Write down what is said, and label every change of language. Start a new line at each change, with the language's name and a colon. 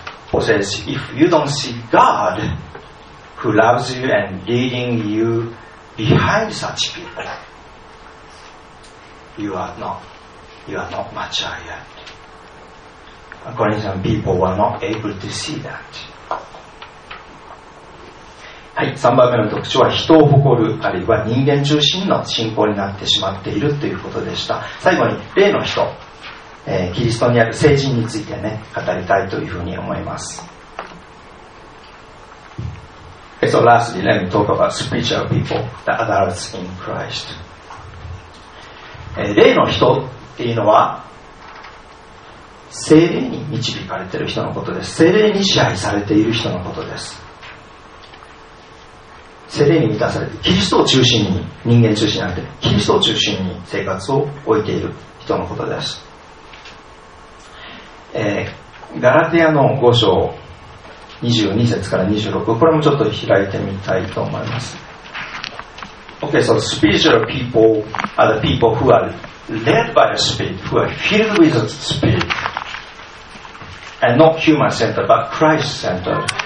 English: Paul says, if you don't see God who loves you and leading you behind such people, you are not mature yet. Corinthian people were not able to see that.
Japanese: はい、3番目の特徴は人を誇る、あるいは人間中心の信仰になってしまっているということでした。最後に例の人、キリストにある聖人についてね、語りたいというふうに思います。
English: So lastly, let me talk about spiritual people, the adults in Christ.
Japanese: 例の人っていうのは聖霊に導かれている人のことです。聖霊に支配されている人のことです。聖霊に満たされてキリストを中心に、人間中心なんてキリストを中心に生活を置いている人のことです。ガラテヤの5章22節から26、これもちょっと開いてみたいと思います。
English: OK, so spiritual people are the people who are led by the spirit, who are filled with the spiritAnd not human-centered, but Christ-centered.